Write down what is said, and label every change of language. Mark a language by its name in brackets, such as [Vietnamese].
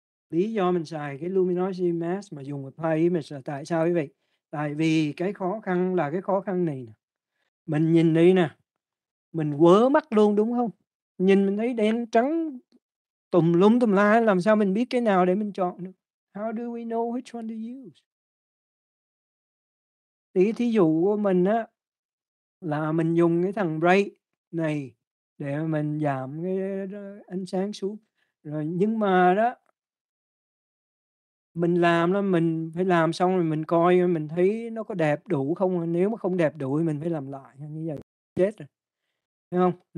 [Vietnamese] Lý do mình xài cái luminosity mask mà dùng apply image là tại sao quý vị? Tại vì cái khó khăn là cái khó khăn này nè. Mình nhìn đi nè. Mình quớ mắt luôn đúng không? Nhìn mình thấy đen trắng tùm lum tùm la, làm sao mình biết cái nào để mình chọn được? [English] How do we know which one to use? [Vietnamese] Thì cái thí dụ của mình á là mình dùng cái thằng bright này để mình giảm cái ánh sáng xuống rồi, nhưng mà đó mình làm là mình phải làm xong rồi mình coi mình thấy nó có đẹp đủ không, nếu mà không đẹp đủ thì mình phải làm lại như vậy chết rồi, thấy không?